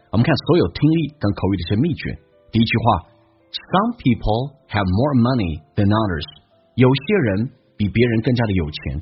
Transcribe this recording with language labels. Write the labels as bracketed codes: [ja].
[zh] 我们看所有听力跟口语的一些秘诀。第一句话， [en] Some people have more money than others. [zh] 有些人比别人更加的有钱。